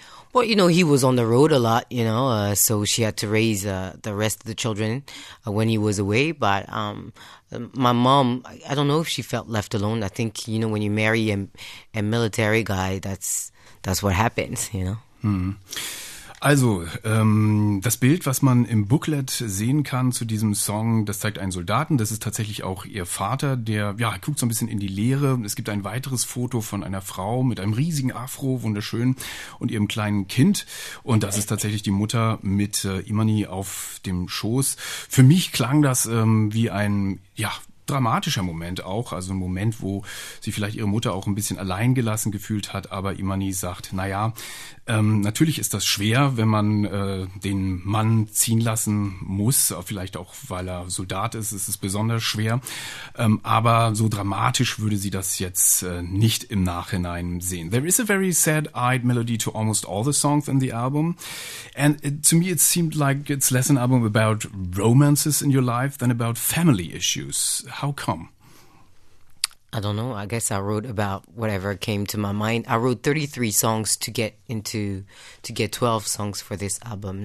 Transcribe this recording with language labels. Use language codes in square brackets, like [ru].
[en] Well, you know, he was on the road a lot, you know, so she had to raise the rest of the children when he was away. But my mom, I don't know if she felt left alone. I think, you know, when you marry a military guy, that's what happens, you know. Hmm. [de] Also, das Bild, was man im Booklet sehen kann zu diesem Song, das zeigt einen Soldaten. Das ist tatsächlich auch ihr Vater, der ja guckt so ein bisschen in die Leere. Es gibt ein weiteres Foto von einer Frau mit einem riesigen Afro, wunderschön, und ihrem kleinen Kind. Und das ist tatsächlich die Mutter mit Imani auf dem Schoß. Für mich klang das wie ein, ja, dramatischer Moment auch, also ein Moment, wo sie vielleicht ihre Mutter auch ein bisschen allein gelassen gefühlt hat, aber Imani sagt, naja, natürlich ist das schwer, wenn man den Mann ziehen lassen muss, vielleicht auch, weil er Soldat ist, ist es besonders schwer, aber so dramatisch würde sie das jetzt nicht im Nachhinein sehen. [en] There is a very sad-eyed melody to almost all the songs in the album, and to me it seemed like it's less an album about romances in your life than about family issues. How come? I don't know. I guess I wrote about whatever came to my mind. I wrote 33 songs to get 12 songs for this album.